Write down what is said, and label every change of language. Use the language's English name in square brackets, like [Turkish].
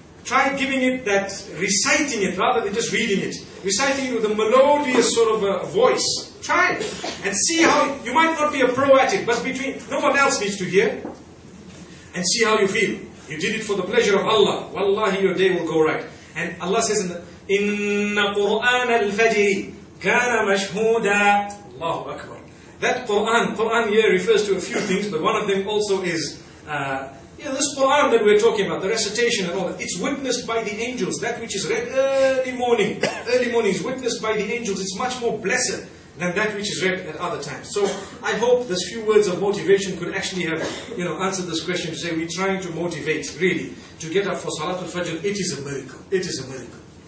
[English] Try giving it that, reciting it rather than just reading it. Reciting it with a melodious sort of a voice. Try it. And see how, you might not be a pro at it, but between, no one else needs to hear. And see how you feel. You did it for the pleasure of Allah. Wallahi, your day will go right. And Allah says, [Arabic] إِنَّ قُرْآنَ الْفَجْرِ كَانَ مَشْهُودًا. Allahu Akbar. [English] That Qur'an here refers to a few things, but one of them also is yeah, this Qur'an that we're talking about, the recitation and all that, it's witnessed by the angels. That which is read early morning is witnessed by the angels. It's much more blessed than that which is read at other times. So I hope those few words of motivation could actually have, you know, answered this question to say we're trying to motivate, really, to get up for Salatul Fajr. It is a miracle. It is a miracle.